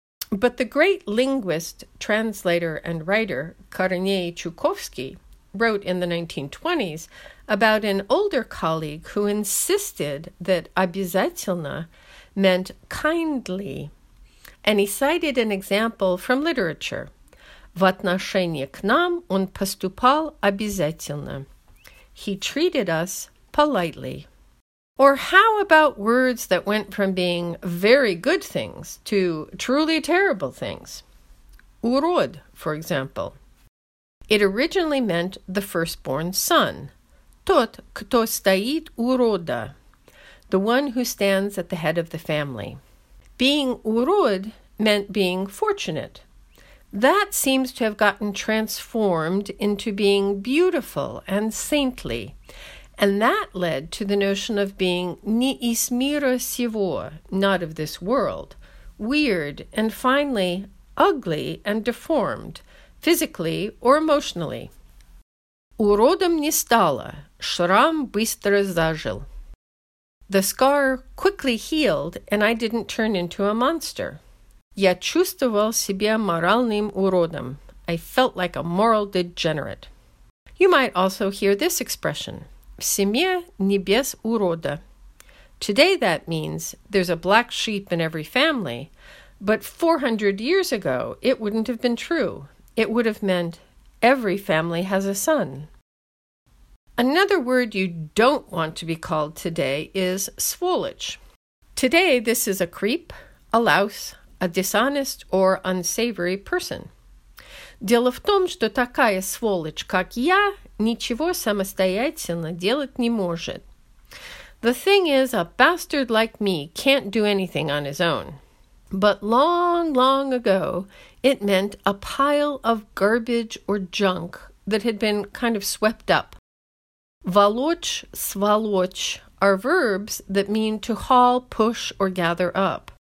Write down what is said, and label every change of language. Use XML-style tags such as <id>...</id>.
<en>But the great linguist, translator, and writer Корней Чуковский wrote in the 1920s about an older colleague who insisted that обязательно meant kindly, and he cited an example from literature.</en> <ru>В отношении к нам он поступал обязательно.</ru> <en>He treated us politely. Or how about words that went from being very good things to truly terrible things? Урод, for example. It originally meant the firstborn son.</en> <ru>Тот, кто стоит у рода.</ru> <en>The one who stands at the head of the family. Being урод meant being fortunate. That seems to have gotten transformed into being beautiful and saintly. And that led to the notion of being</en> <ru>ни из мира сего,</ru> <en>not of this world, weird, and finally, ugly and deformed, physically or emotionally.</en> <ru>Уродом не стало, шрам быстро зажил.</ru> <en>The scar quickly healed, and I didn't turn into a monster.</en> <ru>Я чувствовал себя моральным уродом.</ru> <en>I felt like a moral degenerate. You might also hear this expression.</en> <ru>В семье не без урода.</ru> <en>Today that means there's a black sheep in every family, but 400 years ago it wouldn't have been true. It would have meant every family has a son. Another word you don't want to be called today is сволочь. Today this is a creep, a louse, a dishonest or unsavory person.</en> <ru>Дело в том, что такая сволочь, как я, ничего самостоятельно делать не может.</ru> <en>The thing is, a bastard like me can't do anything on his own. But long, long ago, it meant a pile of garbage or junk that had been kind of swept up. Волочь, сволочь are verbs that mean to haul, push, or gather up.</en>